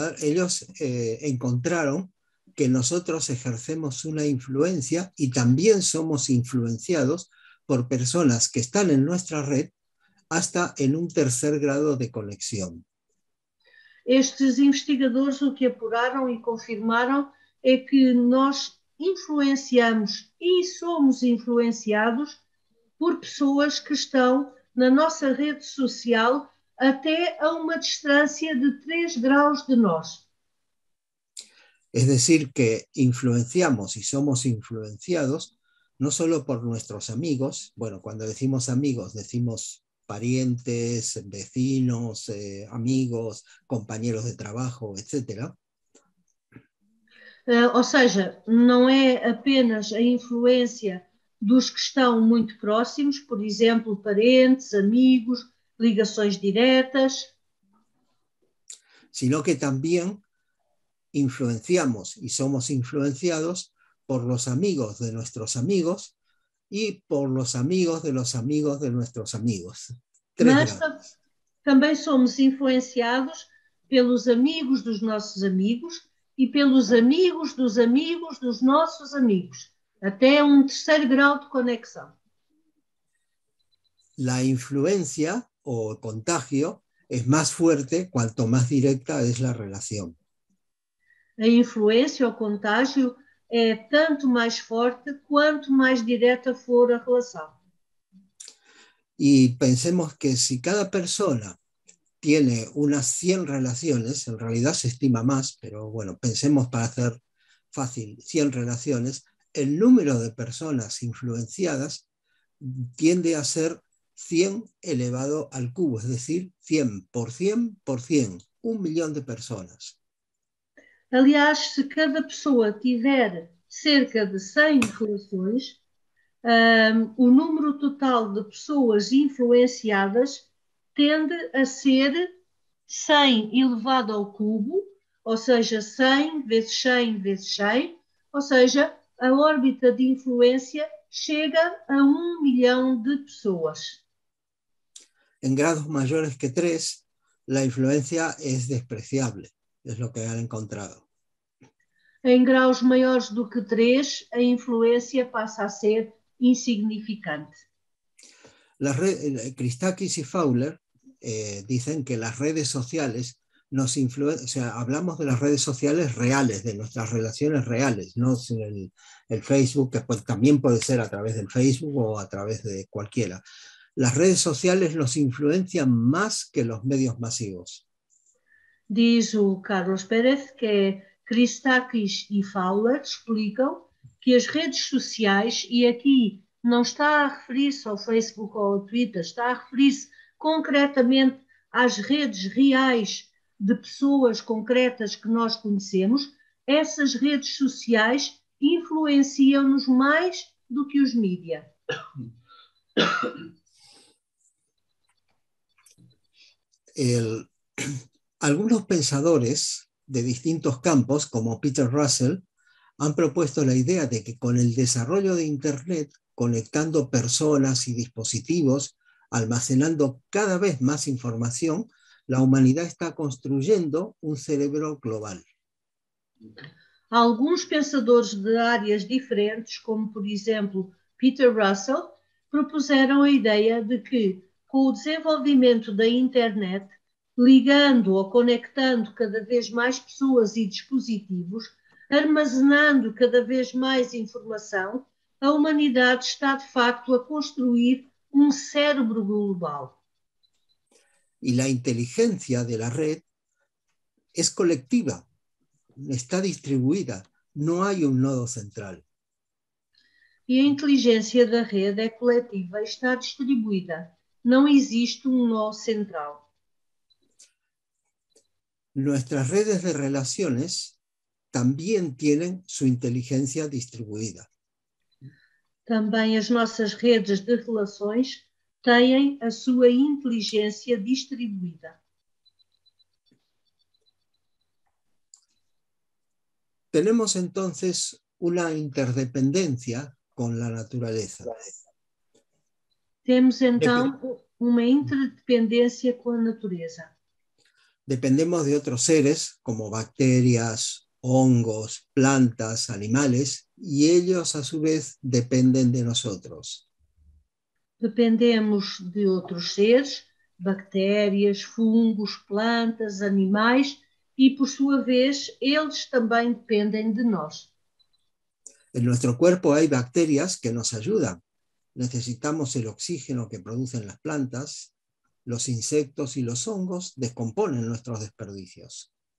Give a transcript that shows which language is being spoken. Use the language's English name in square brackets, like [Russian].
[Spanish] Ellos encontraron que nosotros ejercemos una influencia y también somos influenciados por personas que están en nuestra red hasta en un tercer grado de conexión. [Portuguese] Estes investigadores o que apuraram e confirmaram é que nós influenciamos e somos influenciados por pessoas que estão na nossa rede social até a uma distância de 3 graus de nós. [Spanish] Es decir, que influenciamos y somos influenciados no solo por nuestros amigos, bueno, cuando decimos amigos, decimos parientes, vecinos, amigos, compañeros de trabajo, etcétera. [Portuguese] Ou seja, não é apenas a influência dos que estão muito próximos, por exemplo, parentes, amigos, ligações diretas. [Spanish] Sino que también influenciamos y somos influenciados por los amigos de nuestros amigos y por los amigos de los amigos de nuestros amigos. Tres [Portuguese] Mas [Spanish] grados. [Portuguese] também somos influenciados pelos amigos dos nossos amigos. E pelos amigos dos amigos dos nossos amigos, até um terceiro grau de conexão. [Spanish] La influencia o contagio es más fuerte cuanto más directa es la relación. [Portuguese] A influência ou contágio é tanto mais forte quanto mais direta for a relação. [Spanish] Y pensemos que si cada persona tiene unas 100 relaciones, en realidad se estima más, pero bueno, pensemos para hacer fácil 100 relaciones, el número de personas influenciadas tiende a ser 100 elevado al cubo, es decir, 100 por 100 por 100, un millón de personas. [Portuguese] Aliás, se cada pessoa tiver cerca de 100 relações, o número total de pessoas influenciadas tende a ser 100 elevado ao cubo, ou seja, 100 vezes 100 vezes 100, ou seja, a órbita de influência chega a 1 milhão de pessoas. [Spanish] En grados mayores que 3, la influencia es despreciable, es lo que han encontrado. [Portuguese] Em graus maiores do que 3, a influência passa a ser insignificante. [Spanish] Christakis y Fowler dicen que las redes sociales nos influyen, o sea, hablamos de las redes sociales reales, de nuestras relaciones reales, no el Facebook, que pues, también puede ser a través del Facebook o a través de cualquiera. Las redes sociales nos influencian más que los medios masivos. [Portuguese] Diz o Carlos Pérez que é Christakis e Fowler explicam que as redes sociais, e aqui não está a referir-se ao Facebook ou ao Twitter, está a referir-se concretamente às redes reais de pessoas concretas que nós conhecemos, essas redes sociais influenciam-nos mais do que os mídias. [Spanish] Algunos pensadores de distintos campos, como Peter Russell, han propuesto la idea de que con el desarrollo de Internet, conectando personas y dispositivos, almacenando cada vez más información, la humanidad está construyendo un cerebro global. [Portuguese] Alguns pensadores de áreas diferentes, como por exemplo Peter Russell, propuseram a ideia de que, com o desenvolvimento da internet, ligando ou conectando cada vez mais pessoas e dispositivos, armazenando cada vez mais informação, a humanidade está de facto a construir um cérebro global. [Spanish] Y la inteligencia de la red es colectiva, está distribuida, no hay un nodo central. [Portuguese] E a inteligência da rede é coletiva, está distribuída. Não existe um nó central. [Spanish] Nuestras redes de relaciones también tienen su inteligencia distribuida. [Portuguese] Também as nossas redes de relações têm a sua inteligência distribuída. [Spanish] Tenemos entonces una interdependencia con la naturaleza. [Portuguese] Temos então uma interdependência com a natureza. [Spanish] Dependemos de otros seres como bacterias, hongos, plantas, animales, y ellos a su vez dependen de nosotros. [Portuguese] Dependemos de outros seres, bactérias, fungos, plantas, animais e, por sua vez, eles também dependem de nós. [Spanish] En nuestro cuerpo hay bacterias que nos ayudan. Necesitamos el oxígeno que producen las plantas, los insectos y los hongos descomponen nuestros desperdicios.